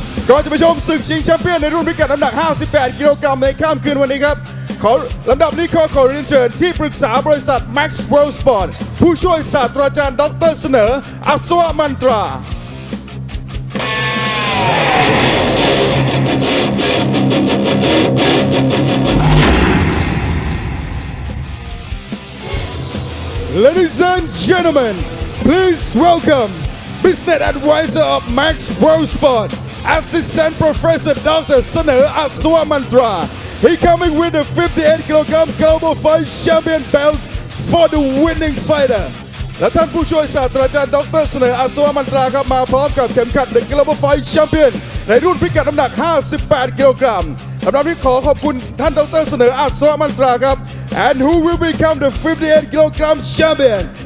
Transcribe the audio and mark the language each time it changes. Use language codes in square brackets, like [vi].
[th] ก่อนจะไปชมศึกชิงแชมเปี้ยนในรุ่นพิกัดน้ำหนัก58กิโลกรัมในค่ำคืนวันนี้ครับลำดับนี้ขอเรียนเชิญที่ปรึกษาบริษัท Max World Sport ผู้ช่วยศาสตราจารย์ดร.เสนออัศวมันตรา [en] Ladies and gentlemen, please welcome Business Advisor of Max World Sport Assistant Professor Dr. Sanu Aswamantra. He coming with the 58 kilogram Global Fight Champion belt for the winning fighter. [th] และท่านผู้ช่วยศาสตราจารย์ดร.เสนออาสวามันตราครับมาพร้อมกับเข็มขัด The Global Fight Champion ในรุ่นพิกัดน้ำหนัก58กิโลกรัมสำหรับนี้ขอขอบคุณท่านดร.เสนออาสวามันตราครับ [en] And who will become the 58 kilogram champion?